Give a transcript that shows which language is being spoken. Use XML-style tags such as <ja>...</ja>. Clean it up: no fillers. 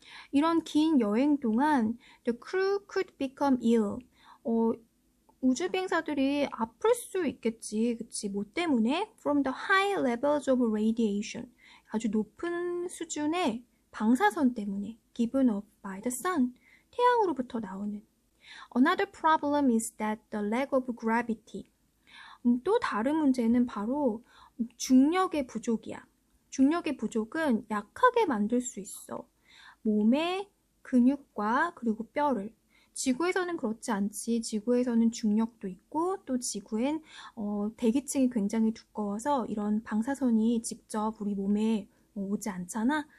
<ko>이런 긴 여행 동안</ko> <en>the crew could become ill.</en> <ko>우주비행사들이 아플 수 있겠지. 그치? 뭐 때문에?</ko> <en>From the high levels of radiation.</en> <ko>아주 높은 수준의 방사선 때문에.</ko> <en>Given off by the sun.</en> <ko>태양으로부터 나오는.</ko> <en>Another problem is that the lack of gravity.</en> <ko>또 다른 문제는 바로 중력의 부족이야. 중력의 부족은 약하게 만들 수 있어. 몸의 근육과 그리고 뼈를. 지구에서는 그렇지 않지. 지구에서는 중력도 있고 또 지구엔 대기층이 굉장히 두꺼워서 이런 방사선이 직접 우리 몸에 오지 않잖아.</ko>